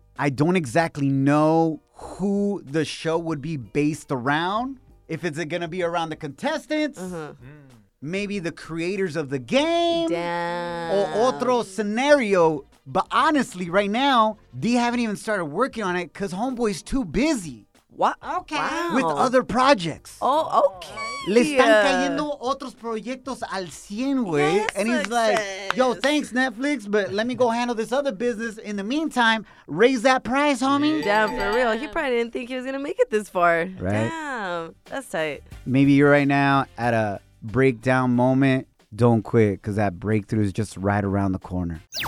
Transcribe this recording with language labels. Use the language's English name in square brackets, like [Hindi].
[English] I don't exactly know who the show would be based around. If it's going to be around the contestants. Maybe the creators of the game. Damn. Or otro scenario. But honestly, right now, they haven't even started working on it because homeboy's too busy. What? Okay. Wow. With other projects. Oh, okay. [Spanish] Le están cayendo otros proyectos al 100, güey. [English] Yes, and he's success. Like, yo, thanks, Netflix, but let me go handle this other business. In the meantime, raise that price, homie. Damn, for real. He probably didn't think he was going to make it this far. Right? Damn. That's tight. Maybe you're right now at a breakdown moment. Don't quit, because that breakthrough is just right around the corner.